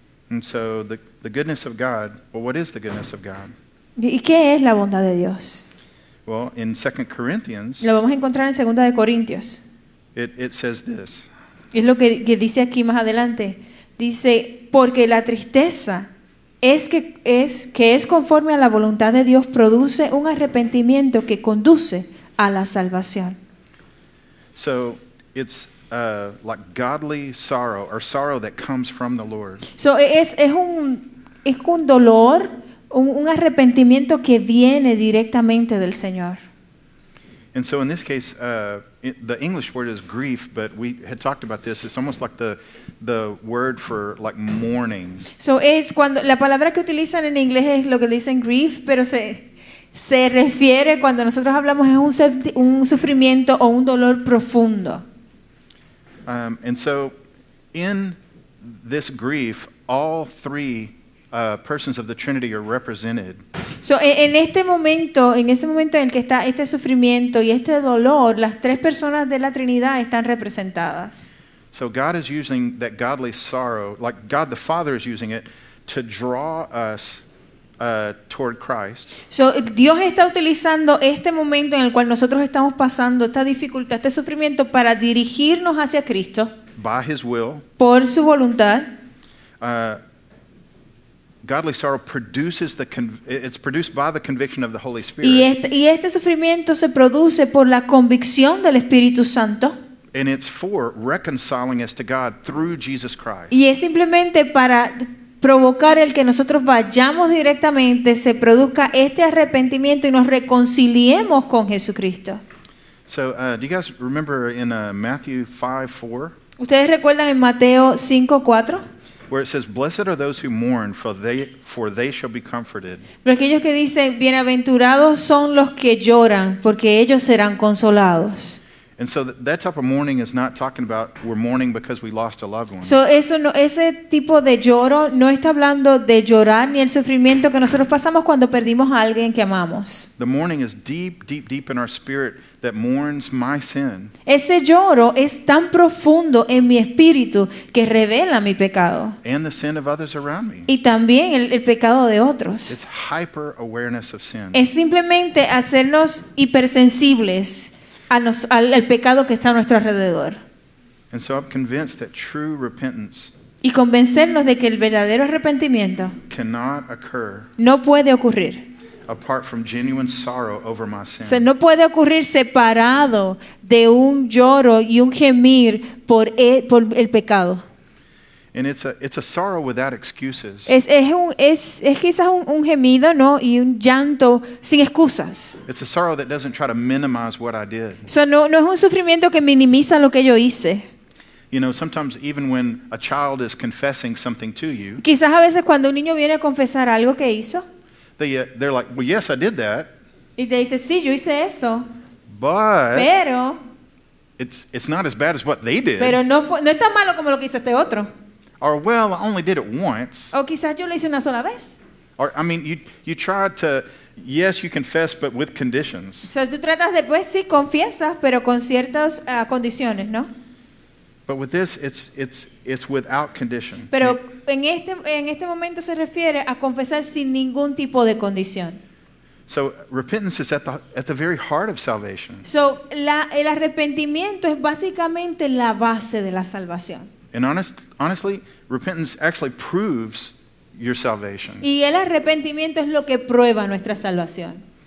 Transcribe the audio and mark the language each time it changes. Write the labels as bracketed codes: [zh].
[en] And so the goodness of God, well, what is the goodness of God? [es] ¿Y qué es la bondad de Dios? [en] Well, in 2 Corinthians. [es] Lo vamos a encontrar en 2 de Corintios. [en] It says this. [es] Es lo que dice aquí más adelante. Dice, porque la tristeza es conforme a la voluntad de Dios, produce un arrepentimiento que conduce a la salvación. [en] So it's like godly sorrow or sorrow that comes from the Lord. [es] So es un dolor, un arrepentimiento que viene directamente del Señor. [en] And so in this case, the English word is grief, but we had talked about this. It's almost like the word for like mourning. [es] So es cuando la palabra que utilizan en inglés es lo que dicen grief, pero se refiere cuando nosotros hablamos es un sufrimiento o un dolor profundo. [en] And so in this grief, all three persons of the Trinity are represented. [es] So en este momento en el que está este sufrimiento y este dolor, las tres personas de la Trinidad están representadas. [en] So God is using that godly sorrow, like God the Father is using it to draw us toward Christ. [es] So Dios está utilizando este momento en el cual nosotros estamos pasando esta dificultad, este sufrimiento para dirigirnos hacia Cristo. [en] By his will. [es] Por su voluntad. [en] Godly sorrow produces it's produced by the conviction of the Holy Spirit. [es] Y este sufrimiento se produce por la convicción del Espíritu Santo. [en] And it's for reconciling us to God through Jesus Christ. [es] Y es simplemente para provocar el que nosotros vayamos directamente, se produzca este arrepentimiento y nos reconciliemos con Jesucristo. [en] So, do you guys remember in Matthew 5:4? [es] ¿Ustedes recuerdan en Mateo 5:4? [en] Where it says, "Blessed are those who mourn, for they shall be comforted." [es] Pero aquellos que dicen, "Bienaventurados son los que lloran, porque ellos serán consolados." [en] And so that type of mourning is not talking about we're mourning because we lost a loved one. [es] So eso no, ese tipo de lloro no está hablando de llorar ni el sufrimiento que nosotros pasamos cuando perdimos a alguien que amamos. [en] The mourning is deep, deep, deep in our spirit that mourns my sin. [es] Ese lloro es tan profundo en mi espíritu que revela mi pecado. [en] And the sin of others around me. [es] Y también el pecado de otros. [en] It's hyper awareness of sin. [es] Es simplemente hacernos hipersensibles al pecado que está a nuestro alrededor. [en] And so I'm convinced that true repentance [es] y convencernos de que el verdadero arrepentimiento [en] cannot occur [es] no puede ocurrir [en] apart from genuine sorrow over my sin. [es] O sea, no puede ocurrir separado de un lloro y un gemir por el pecado. [en] And it's a sorrow without excuses. [es] Es quizás un gemido, ¿no? Y un llanto sin excusas. [en] It's a sorrow that doesn't try to minimize what I did. [es] So no es un sufrimiento que minimiza lo que yo hice. [en] You know, sometimes even when a child is confessing something to you. [es] Quizás a veces cuando un niño viene a confesar algo que hizo. [en] They're like, "Well, yes, I did that." [es] Y te dice, "Sí, yo hice eso." Pero [en] it's not as bad as what they did. [es] Pero no es tan malo como lo que hizo este otro. [en] Or, "Well, I only did it once." [es] O quizás yo lo hice una sola vez. [en] Or, I mean, you tried to, yes, you confess, but with conditions. [es] O sea, tú tratas de, pues, sí, confiesas, pero con ciertas condiciones, ¿no? [en] But with this, it's without condition. [es] Pero en este momento se refiere a confesar sin ningún tipo de condición. [en] So repentance is at the very heart of salvation. [es] So el arrepentimiento es básicamente la base de la salvación. [en] And honestly, repentance actually proves your salvation. [es] Y el arrepentimiento es lo que prueba nuestra salvación.